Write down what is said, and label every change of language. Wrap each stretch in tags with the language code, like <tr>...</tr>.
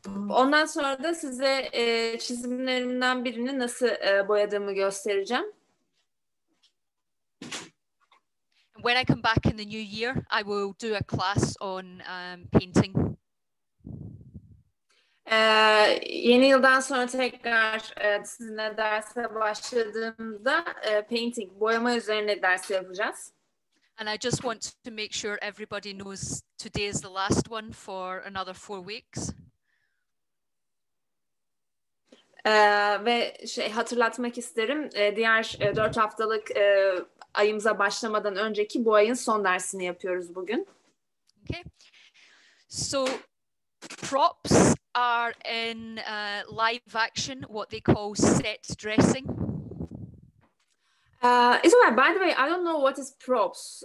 <tr>Ondan sonra da size çizimlerimden birini nasıl boyadığımı göstereceğim.</tr> <en>When I come back in the new year, I will do a class on painting.</en> <tr>Yeni yıldan sonra tekrar sizinle derse başladığımda painting, boyama üzerine ders yapacağız.</tr> <en>And I just want to make sure everybody knows today is the last one for another 4 weeks.</en> <tr>Ve hatırlatmak isterim, diğer 4 haftalık ayımıza başlamadan önceki bu ayın son dersini yapıyoruz bugün.</tr> <en>Okay. So props are in live action, what they call set dressing. By the way, I don't know what is props.</en>